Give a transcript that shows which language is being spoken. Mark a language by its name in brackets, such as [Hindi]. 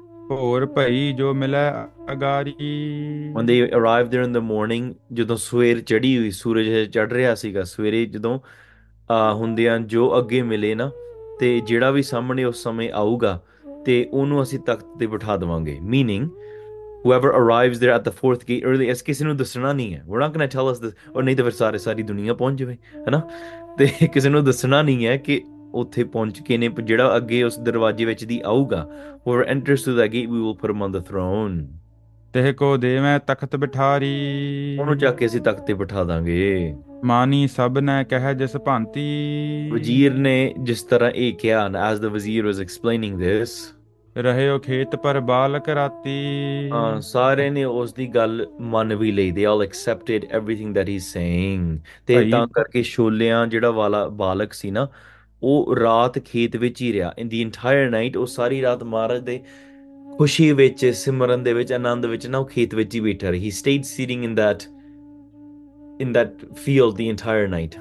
[Punjabi] ਹੋਰ ਭਈ ਜੋ ਮਿਲੇ [English] When they [Punjabi] ਅਗਾਰੀ। [English] arrived there in the morning, [Punjabi] ਜਦੋਂ ਸਵੇਰ ਚੜ੍ਹੀ ਹੋਈ, ਸੂਰਜ ਚੜ੍ਹ ਰਿਹਾ ਸੀਗਾ ਸਵੇਰੇ ਜਦੋਂ ਹੁੰਦਿਆਂ, ਜੋ ਅੱਗੇ ਮਿਲੇ ਨਾ, ਤੇ ਜਿਹੜਾ ਵੀ ਸਾਹਮਣੇ ਉਸ ਸਮੇਂ ਆਊਗਾ, ਤੇ ਉਹਨੂੰ ਅਸੀਂ ਤਖ਼ਤ ਤੇ ਬਿਠਾ ਦੇਵਾਂਗੇ. [English] meaning whoever arrives there at the fourth gate early, [Punjabi] ਇਸ ਕਿਸੇ ਨੂੰ ਦੱਸਣਾ ਨਹੀਂ ਹੈ. [English] we're not going to tell us this, [Punjabi] ਔਰ ਨਹੀਂ ਤਾਂ ਫਿਰ ਸਾਰੇ ਸਾਰੀ ਦੁਨੀਆ ਪਹੁੰਚ ਜਾਵੇ, ਹੈਨਾ? ਤੇ ਕਿਸੇ ਨੂੰ ਦੱਸਣਾ ਨਹੀਂ ਹੈ ਕਿ ਉੱਥੇ ਪਹੁੰਚ ਕੇ ਨੇ, ਜਿਹੜਾ ਅੱਗੇ ਉਸ ਦਰਵਾਜੇ ਵਿੱਚ ਦੀ ਆਊਗਾ, [English] whoever enters through that gate, we will put him on the throne. [Punjabi] ਤੇਹ ਕੋ ਦੇਵੈ ਤਖਤ ਉਹਨੂੰ ਚੱਕ ਬਿਠਾਰੀ, ਕੇ ਅਸੀਂ ਤਖਤ ਤੇ ਬਿਠਾ ਦਾਂਗੇ. ਮਾਨੀ ਸਭ ਨੇ ਕਹਿ ਜਿਸ ਭਾਂਤੀ, ਵਜ਼ੀਰ ਨੇ ਜਿਸ ਤਰ੍ਹਾਂ ਇਹ ਕਿਹਾ, [English] as the wazir was explaining this, [Punjabi] ਰਹੇ ਓ ਖੇਤ ਪਰ ਬਾਲਕ ਰਾਤੀ। ਸਾਰੇ ਨੇ ਉਸ ਦੀ ਗੱਲ ਮੰਨ ਵੀ ਲਈ. [English] they all accepted everything that he's saying. [Punjabi] ਤੇ ਭਈ ਤਾਂ ਕਰਕੇ ਛੋਲਿਆਂ ਜਿਹੜਾ ਵਾਲਾ ਬਾਲਕ ਸੀ ਨਾ, ਉਹ ਰਾਤ ਖੇਤ ਵਿੱਚ ਹੀ ਰਿਹਾ. [English] in the entire night, [Punjabi] ਉਹ ਸਾਰੀ ਰਾਤ ਮਹਾਰਾਜ ਦੇ ਖੁਸ਼ੀ ਵਿੱਚ, ਸਿਮਰਨ ਦੇ ਵਿੱਚ, ਆਨੰਦ ਵਿੱਚ ਨਾ, ਉਹ ਖੇਤ ਵਿੱਚ ਹੀ ਬੈਠਾ ਰਿਹਾ. [English] He stayed sitting in that field the entire night.